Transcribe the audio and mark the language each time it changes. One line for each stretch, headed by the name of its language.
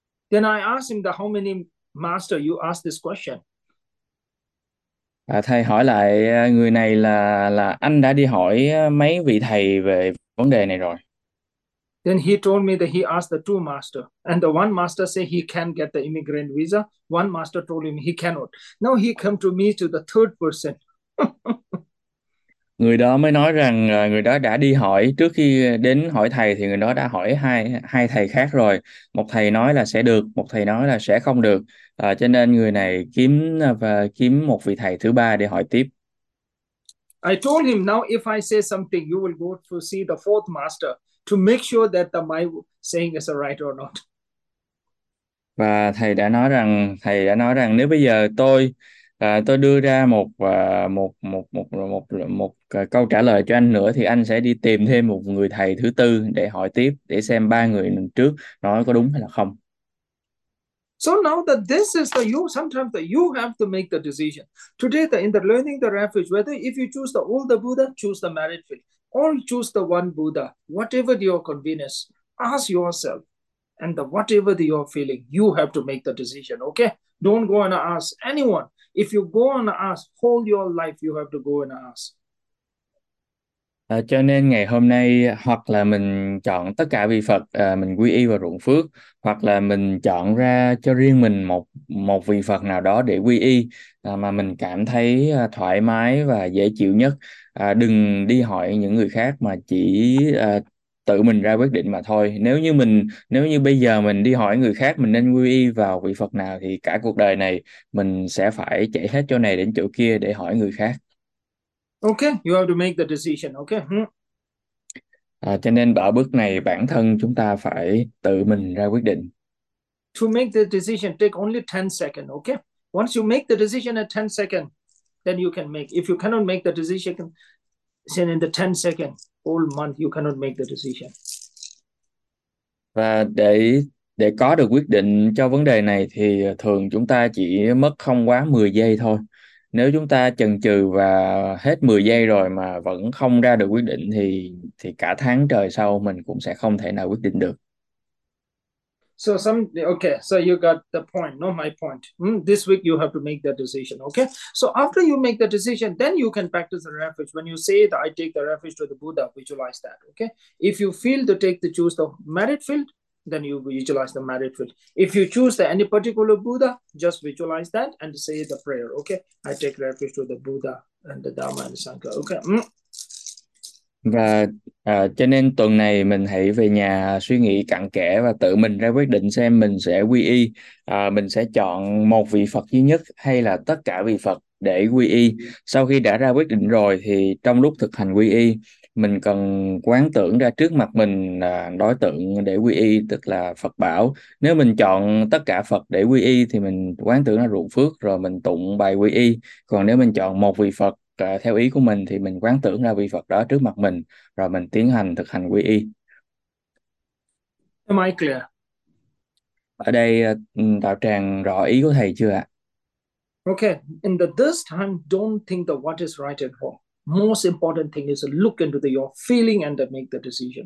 English: Then I asked him the how many master you asked this question.
Vietnamese: Thầy hỏi lại người này là anh đã đi hỏi mấy vị thầy về vấn đề này rồi.
English: Then he told me that he asked the two master, and the one master say he can get the immigrant visa. One master told him he cannot. Now he come to me to the third person.
Vietnamese: Người đó mới nói rằng người đó đã đi hỏi trước khi đến hỏi thầy thì người đó đã hỏi hai hai thầy khác rồi, một thầy nói là sẽ được, một thầy nói là sẽ không được, cho nên người này kiếm và kiếm một vị thầy thứ ba để hỏi tiếp.
English: I told him now if I say something, you will go to see the fourth master to make sure that my saying is right or not.
Vietnamese: Và thầy đã nói rằng nếu bây giờ tôi đưa ra một một một một một một câu trả lời cho anh nữa thì anh sẽ đi tìm thêm một người thầy thứ tư để hỏi tiếp để xem ba người trước nói có đúng hay là không.
English: So now that this is the you, sometimes that you have to make the decision. Today, the in the learning the refuge, whether if you choose the older Buddha, choose the merit field, or choose the one Buddha, whatever your convenience, ask yourself, and the whatever you're feeling, you have to make the decision. Okay? Don't go and ask anyone. If you go and ask, whole your life you have to go and ask.
Vietnamese: Cho nên ngày hôm nay hoặc là mình chọn tất cả vị Phật mình quy y vào ruộng phước, hoặc là mình chọn ra cho riêng mình một một vị Phật nào đó để quy y mà mình cảm thấy thoải mái và dễ chịu nhất. Đừng đi hỏi những người khác mà chỉ tự mình ra quyết định mà thôi. Nếu như bây giờ mình đi hỏi người khác mình nên quy y vào vị Phật nào thì cả cuộc đời này mình sẽ phải chạy hết chỗ này đến chỗ kia để hỏi người khác.
English: Okay, you have to make the decision. Okay.
Vietnamese: Cho nên ở bước này bản thân chúng ta phải tự mình ra quyết định.
English: To make the decision, take only 10 seconds. Okay. Once you make the decision at 10 seconds, then you can make. If you cannot make the decision, then in the 10 seconds, whole month, you cannot make the decision.
Vietnamese: Và để có được quyết định cho vấn đề này thì thường chúng ta chỉ mất không quá 10 giây thôi. Nếu chúng ta chần chừ và hết 10 giây rồi mà vẫn không ra được quyết định thì cả tháng trời sau mình cũng sẽ không thể nào quyết định được.
English: Okay, so you got the point, not my point. This week you have to make the decision, okay? So after you make the decision, then you can practice the refuge. When you say that I take the refuge to the Buddha, visualize that, okay? If you feel to take the choose the merit field, then you visualize the merit field. If you choose the any particular Buddha, just visualize that and say the prayer, okay? I take refuge to the Buddha and the Dharma and the Sangha, okay?
Vietnamese: Và cho nên tuần này mình hãy về nhà suy nghĩ cặn kẽ và tự mình ra quyết định xem mình sẽ quy y, mình sẽ chọn một vị Phật duy nhất hay là tất cả vị Phật để quy y. Sau khi đã ra quyết định rồi thì trong lúc thực hành quy y, mình cần quán tưởng ra trước mặt mình đối tượng để quy y, tức là Phật bảo. Nếu mình chọn tất cả Phật để quy y thì mình quán tưởng ra ruộng phước rồi mình tụng bài quy y. Còn nếu mình chọn một vị Phật theo ý của mình thì mình quán tưởng ra vị Phật đó trước mặt mình rồi mình tiến hành thực hành quy y.
English: Am I clear?
Vietnamese: Ở đây đạo tràng rõ ý của thầy chưa ạ?
English: Okay, in the this time, don't think the what is right and wrong. Most important thing is to look into the your feeling and then make the decision.